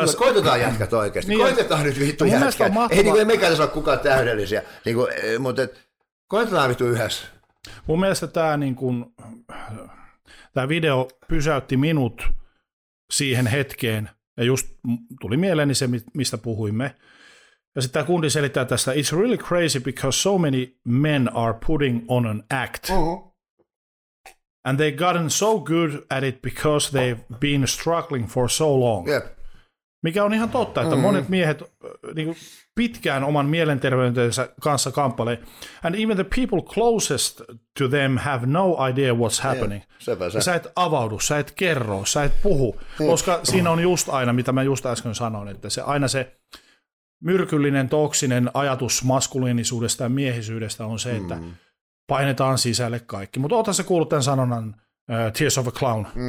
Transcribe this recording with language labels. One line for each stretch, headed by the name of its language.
Finnish: Koitetaan jätkät oikeasti. Niin, koitetaan nyt vittu jätkät. Ei niin kuin mekään tässä ole kukaan täydellisiä. Niin kuin, mutta koitetaan vittu yhdessä. Mun mielestä tämä niin kuin, tämä video pysäytti minut siihen hetkeen. Ja just tuli mieleeni se, mistä puhuimme. Ja sitten tämä kundi selittää tästä.
English: It's really crazy because so many men are putting on an act. Uh-huh. And they've gotten so good at it because they've been struggling for so long. Yep.
Finnish: Mikä on ihan totta, että monet miehet niin kuin pitkään oman mielenterveytensä kanssa kamppailee.
English: And even the people closest to them have no idea what's happening. Yeah,
Finnish: sä et avaudu, sä et kerro, sä et puhu. Koska siinä on just aina, mitä mä just äsken sanoin, että se aina se myrkyllinen, toksinen ajatus maskuliinisuudesta ja miehisyydestä on se, että painetaan sisälle kaikki. Mutta oota sä kuullut tämän sanonnan Tears of a Clown.